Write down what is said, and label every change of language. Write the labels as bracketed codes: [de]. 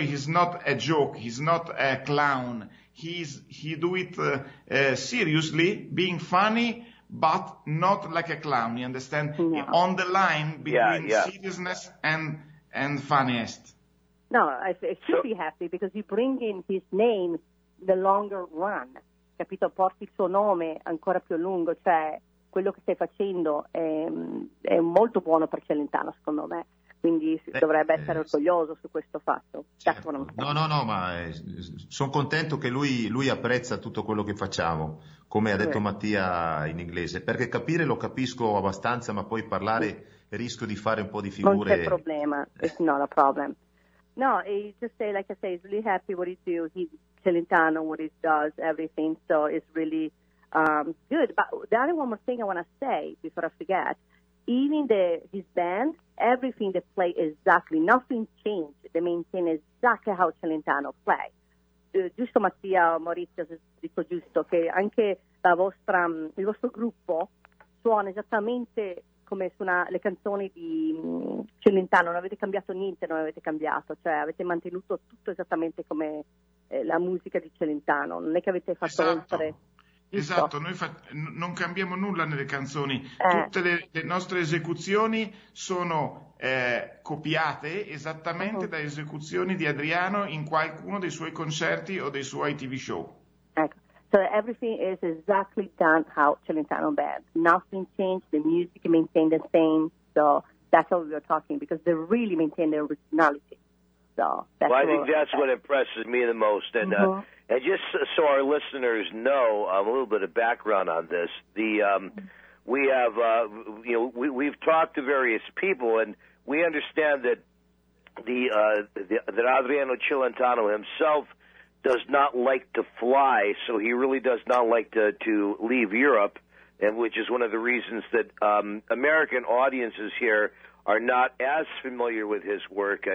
[en] He's not a joke. He's not a clown. He does it seriously, being funny, but not like a clown. You understand? Yeah. On the line between seriousness and funniest. No, I should be happy because you bring in his name the longer run. [it] Capito? Porti il suo nome ancora più a lungo. Cioè, quello che stai facendo è molto buono per Celentano, secondo me. Quindi dovrebbe essere orgoglioso su questo fatto. Certo. No, ma sono contento che lui apprezza tutto quello che facciamo, come ha detto Mattia in inglese. Perché capire lo capisco abbastanza, ma poi parlare rischio di fare un po' di figure. Non c'è problema. [en] It's not a problem. No, it's just say, like I say, he's really happy what he do. He's Celentano, what he does, everything. So it's really good. But the only one more thing I want to say before I forget, even his band, everything they play exactly, nothing changed. They maintain exactly how Celentano play. [it] Giusto, Mattia, Maurizio, dico giusto che anche il vostro gruppo suona esattamente come suona le canzoni di Celentano, non avete cambiato niente, non avete cambiato, cioè avete mantenuto tutto esattamente come la musica di Celentano, non è che avete fatto oltre. Esatto, noi non cambiamo nulla nelle canzoni, tutte le nostre esecuzioni sono copiate esattamente da esecuzioni di Adriano in qualcuno dei suoi concerti o dei suoi TV show. Ecco. [en] So everything is exactly done how Celentano band. Nothing changed. The music maintained the same. So that's what we were talking because they really maintain their originality. So that's I think that's what impresses me the most. And and just so our listeners know a little bit of background on this, we've talked to various people and we understand that that Adriano Celentano himself does not like to fly, so he really does not like to leave Europe, and which is one of the reasons that American audiences here are not as familiar with his work.